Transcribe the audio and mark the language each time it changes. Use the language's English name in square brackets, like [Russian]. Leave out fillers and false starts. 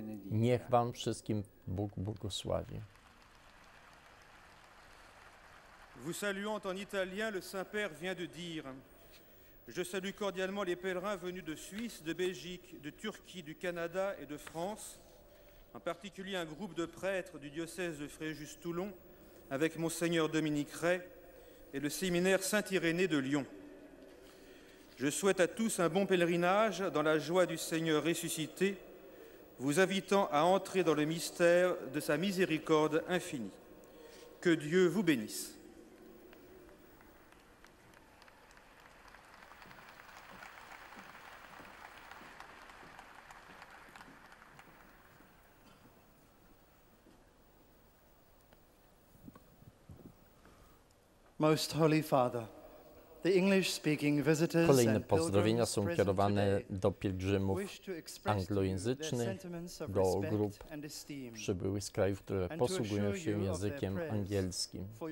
[Polish] Niech Wam wszystkim Bóg błogosławi. [French] Vous saluant en italien, le Saint-Père vient de dire « Je salue cordialement les pèlerins venus de Suisse, de Belgique, de Turquie, du Canada et de France, en particulier un groupe de prêtres du diocèse de Fréjus-Toulon avec Monseigneur Dominique Ray et le séminaire Saint-Irénée de Lyon. Je souhaite à tous un bon pèlerinage dans la joie du Seigneur ressuscité, vous invitant à entrer dans le mystère de sa miséricorde infinie. Que Dieu vous bénisse. » [English] Most Holy Father, the English-speaking visitors and [Polish] kolejne pozdrowienia są kierowane do pielgrzymów anglojęzycznych, do grup przybyłych z krajów, które posługują się językiem angielskim.